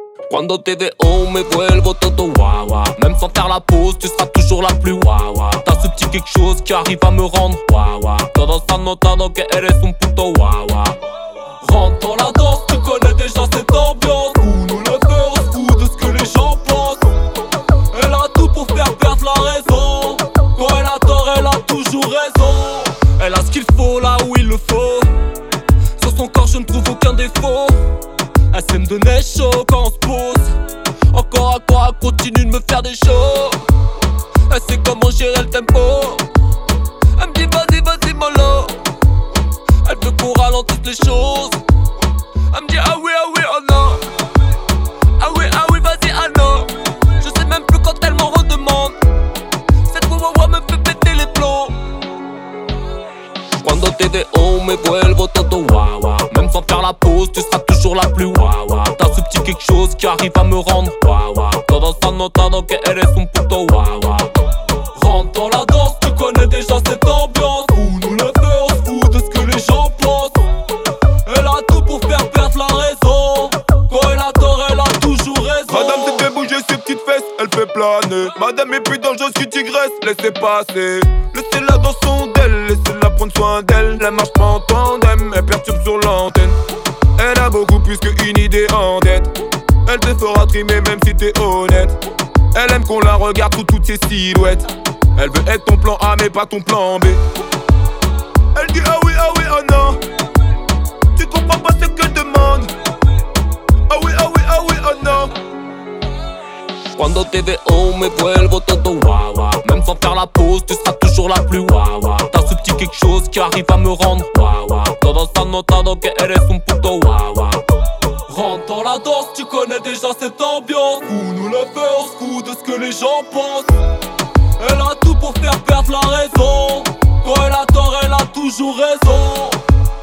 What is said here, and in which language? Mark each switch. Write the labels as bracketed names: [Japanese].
[Spanish] Cuando te veo me vuelvo todo wawa. [French] Même sans faire la pause tu seras toujours la plus wawa. T'as ce petit quelque chose qui arrive à me rendre wawa. [Spanish] Todos han notado que eres un puto wawa. [French] Rentre dans la danse, tu connais déjà cette ambiance. Où nous le faire, on se fout de ce que les gens pensent. Elle a tout pour faire perdre la raison. Quand elle a tort, elle a toujours raison. Elle a ce qu'il faut là où il le faut. Sur son corps je ne trouve aucun défaut. Elle sait me donner chaud quand on se pose. Encore à quoi elle continue de me faire des shows. Elle sait comment gérer le tempo. Elle me dit vas-y vas-y mollo. Elle veut qu'on ralentisse les choses. Elle me dit ah oui oh non. Ah oui vas-y ah non. Je sais même plus quand elle m'en redemande. Cette wawawa me fait péter les plombs. [Spanish] Cuando te veo me vuelvo todo wawa. [French] Même sans faire la pause tu seras toujours la plus wawa. T'as ce petit quelque chose qui arrive à me rendre wawa. [Spanish] Todos han notado que eres un puto wawa. [French] Rentre dans la danse, tu connais déjà cette ambiance. Où nous le faire, on se fout de ce que les gens pensent. Elle a tout pour faire perdre la raison. Quand elle a tort, elle a toujours raison. Madame, tu fais bouger ses petites fesses, elle fait planer. Madame est plus dangereuse qu'une tigresse, laissez passer. Laissez-la dans son d'elle, laissez-la prendre soin d'elle. La marche pas en tandem, elle perturbe sur l'antenne. Elle a beaucoup plus qu'une idée en tête. Elle te fera trimer même si t'es honnête. Elle aime qu'on la regarde sous toutes ses silhouettes. Elle veut être ton plan A mais pas ton plan B. Elle dit ah oui oh non. Tu comprends pas ce qu'elle demande. Ah oui oh non. [Spanish] Cuando te veo me vuelvo todo wawa. [French] Même sans faire la pause tu seras toujours la plus wawa. T'as ce petit quelque chose qui arrive à me rendre wawa. [Spanish] Todos han notado que eres un puto wawa. [French] Rentre dans la danse, tu connais déjà cette ambiance. Où nous le faire, on se fout de ce que les gens pensent. Elle a tout pour faire perdre la raison. Quand elle a tort, elle a toujours raison.